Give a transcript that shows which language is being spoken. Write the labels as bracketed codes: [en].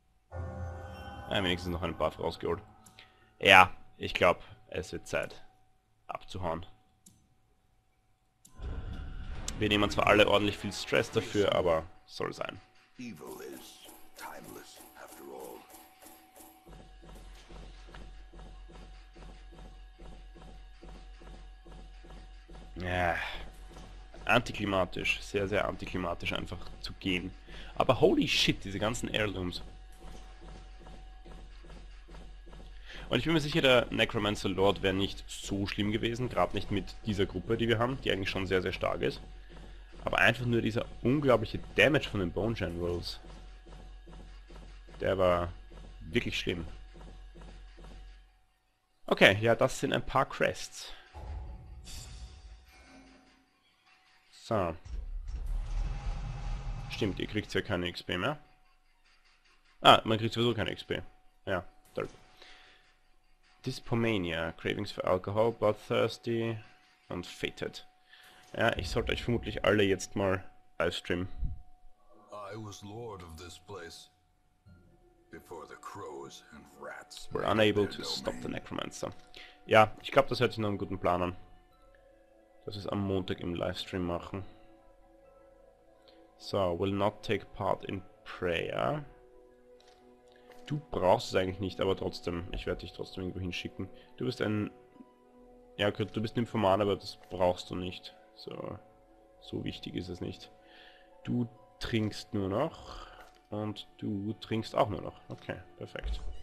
[de] Ja, wenigstens noch ein paar rausgeholt. Ja, ich glaube, es wird Zeit abzuhauen. Wir nehmen zwar alle ordentlich viel Stress dafür, aber soll sein. [en] Evil is timeless after all. [de] Ja. Antiklimatisch, sehr, sehr antiklimatisch einfach zu gehen. Aber holy shit, diese ganzen Heirlooms. Und ich bin mir sicher, der Necromancer Lord wäre nicht so schlimm gewesen, gerade nicht mit dieser Gruppe, die wir haben, die eigentlich schon sehr, sehr stark ist. Aber einfach nur dieser unglaubliche Damage von den Bone Generals, der war wirklich schlimm. Okay, ja, das sind ein paar Crests. So. Stimmt, ihr kriegt ja keine XP mehr. Ah, man kriegt sowieso keine XP. Ja, derp. [en] Dyspomania, Cravings for Alcohol, Bloodthirsty und Fated. [de] Ja, ich sollte euch vermutlich alle jetzt mal live streamen. [en] I was lord of this place before the crows and rats were unable to stop the necromancer. [de] Ja, ich glaube, das hört sich nach einem guten Plan an. Dass wir es am Montag im Livestream machen. [en] So, will not take part in prayer. [de] Du brauchst es eigentlich nicht, aber trotzdem. Ich werde dich trotzdem irgendwo hinschicken. Du bist ein... Ja, du bist ein Informant, aber das brauchst du nicht. So, so wichtig ist es nicht. Du trinkst nur noch. Und du trinkst auch nur noch. Okay, perfekt.